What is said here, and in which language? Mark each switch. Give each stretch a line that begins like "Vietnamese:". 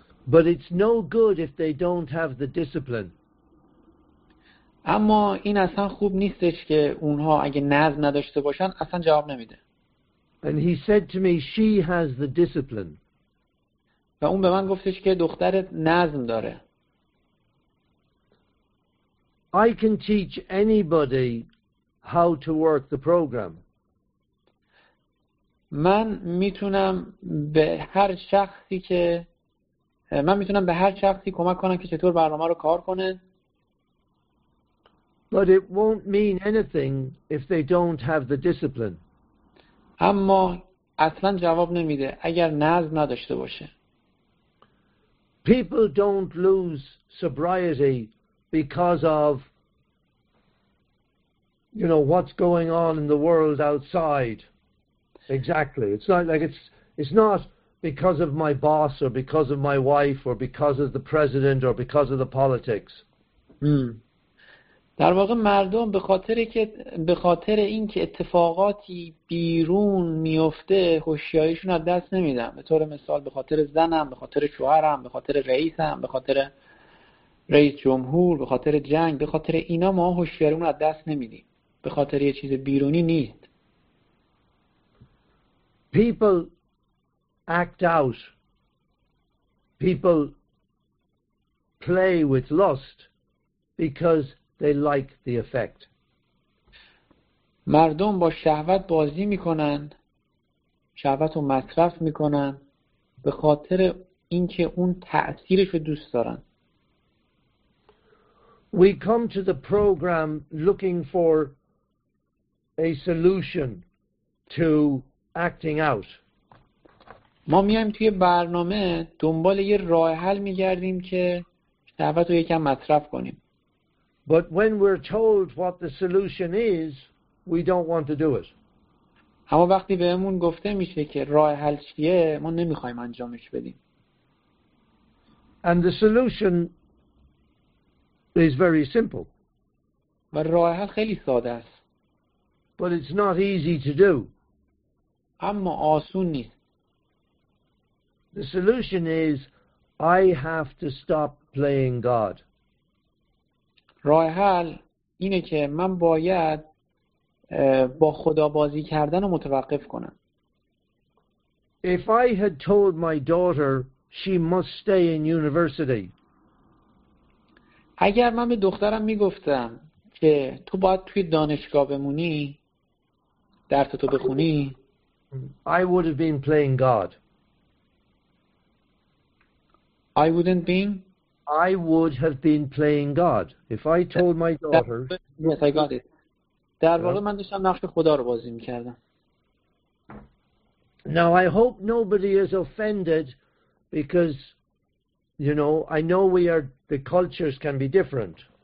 English: But it's no good if they don't have the discipline.
Persian: اما این اصلا خوب نیستش که اونها اگه نظم نداشته باشن اصلا جواب نمیده.
English: And he said to me, she has the discipline.
Persian: و اون به من گفتش که دخترت نظم داره.
English: I can teach anybody how to work the program.
Persian: من میتونم به هر شخصی کمک کنم که چطور برنامه رو کار کنه.
English: But it won't mean anything if they don't have the discipline.
Persian: اما اصلا جواب نمیده اگر نظم نداشته باشه.
English: People don't lose sobriety because of you know what's going on in the world outside. Exactly. It's not because of my boss or because of my wife or because of the president or because of the politics.
Persian: در واقع مردم به خاطر اینکه اتفاقاتی بیرون میفته هوشیاریشون از دست نمیدن. به طور مثال به خاطر زنم، به خاطر شوهرم، به خاطر رئیسم، به خاطر رئیس جمهور، به خاطر جنگ، به خاطر اینا ما هوشیاریمون از دست نمیدیم. به خاطر یه چیز بیرونی نیست.
English: People act out. People play with lust because they like the effect.
Persian: مردم با شهوت بازی میکنن، شهوت رو مصرف میکنن به خاطر اینکه اون تأثیرش رو دوست دارن.
English: We come to the program looking for a solution to acting out.
Persian: ما میایم توی برنامه دنبال یه راه حل می‌گردیم که شهوت رو یکم مصرف کنیم.
English: But when we're told what the solution is, we don't want to do it.
Persian: اما وقتی بهمون گفته میشه که راه حل چیه، ما نمیخوایم انجامش بدیم.
English: And the solution is very simple.
Persian: و راه حل خیلی ساده است.
English: But it's not easy to do.
Persian: اما آسون نیست.
English: The solution is I have to stop playing God.
Persian: راه حل اینه که من باید با خدا بازی کردن رو متوقف کنم.
English: If I had told my daughter she must stay in university.
Persian: اگر من به دخترم میگفتم که تو باید توی دانشگاه بمونی، درس تو بخونی،
English: I would have been playing God. I wouldn't be. I would have been playing God if I told my daughter. Yes, I got it.
Persian: در واقع من داشتم نقش خدا رو بازی می‌کردم.
English: Now I hope nobody is offended because you know I know we are the cultures can be different.